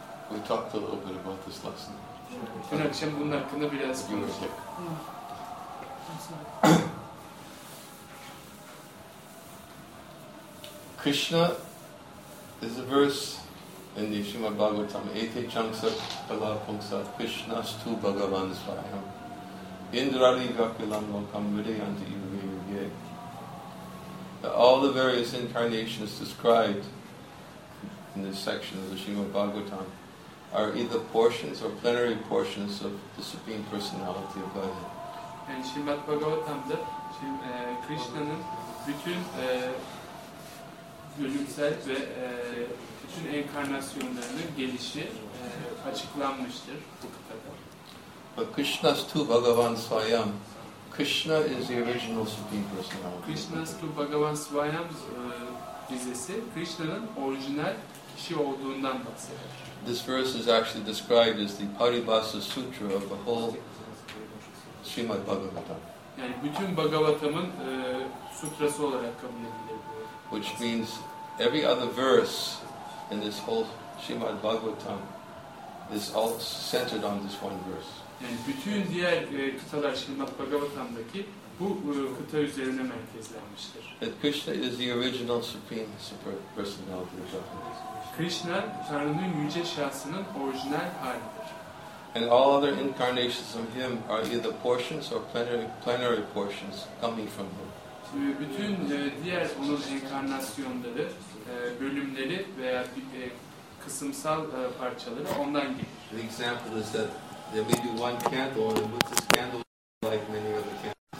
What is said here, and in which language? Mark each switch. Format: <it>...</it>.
<en>We talked a little bit about this lesson.</en> <tr>Dün akşam bunun hakkında biraz konuştuk.</tr> <en>Krishna is a verse in the Srimad Bhagavatam,</en> <sa>Ete Changsa Kala Pungsa, Krishna's two Bhagavan Svayam. Indrani Vakulam Lokam Vidayanti Yuvi Yuvi.</sa> <en>All the various incarnations described in this section of the Srimad Bhagavatam are either portions or plenary portions of the Supreme Personality of Godhead.</en> <tr>And Srimad Bhagavatam'da Krishna'nın bütün bölümsel ve bütün enkarnasyonlarının gelişi açıklanmıştır bu kitapta.</tr> <sa>Krishna's two Bhagavan Svayam.</sa> <en>Krishna is the original Supreme Personality.</en> <sa>Krishna's two Bhagavan Svayam</sa> <tr>dizesi Krishna'nın orijinal kişi olduğundan bahseder.</tr> <en>This verse is actually described as the Paribhasa Sutra of the whole Srimad Bhagavatam.</en> <tr>Yani bütün Bhagavatam'ın sutrası olarak kabul edilir.</tr> <en>Which means every other verse in this whole Srimad Bhagavatam is all centered on this one verse.</en> <tr>Yani bütün diğer kıtalar Srimad Bhagavatam'daki bu kıta üzerine merkezlenmiştir.</tr> <en>That Krishna is the original Supreme Personality of Godhead.</en> <tr>Krishna, Tanrı'nın yüce şahsının orijinal halidir.</tr> <en>And all other incarnations of him are either portions or plenary portions coming from him.</en> <tr>Bütün diğer onun enkarnasyonları, bölümleri veya kısımsal parçaları ondan gelir.</tr> <en>The example is that there may be one candle and with this candle like many other candles.</en>